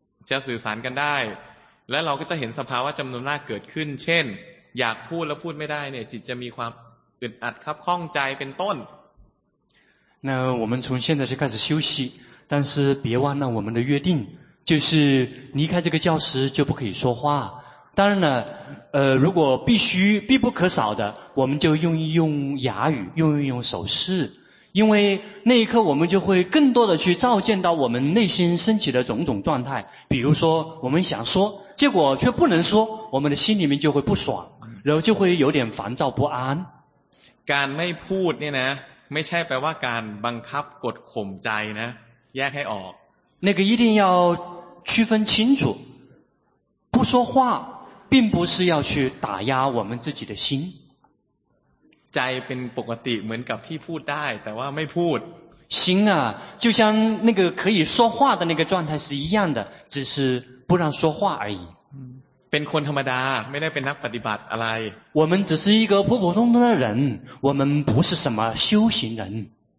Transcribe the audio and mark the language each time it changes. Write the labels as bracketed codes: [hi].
[th] จะสื่อสารกันได้และเราก็จะเห็นสภาวะจำนวนมากเกิดขึ้นเช่นอยากพูดแล้วพูดไม่ได้เนี่ยจิตจะมีความอึดอัดครับข้องใจเป็นต้น [zh] 那我们从现在就开始休息但是别忘了我们的约定，就是离开这个教室就不可以说话。当然了，如果必须必不可少的，我们就用一用哑语，用一用手势，因为那一刻我们就会更多的去照见到我们内心升起的种种状态。比如说，我们想说，结果却不能说，我们的心里面就会不爽，然后就会有点烦躁不安。 [th] การไม่พูดเนี่ยนะ，ไม่ใช่แปลว่าการบังคับกดข่มใจนะแยกให้ออก [zh] 那个一定要区分清楚不说话并不是要去打压我们自己的心 [th] ใจเป็นปกติเหมือนกับที่พูดได้แต่ว่าไม่พูด [zh] 心啊就像那个可以说话的那个状态是一样的只是不让说话而已 [th] เป็นคนธรรมดาไม่ได้เป็นนักปฏิบัติอะไร [zh] 我们只是一个普普通通的人我们不是什么修行人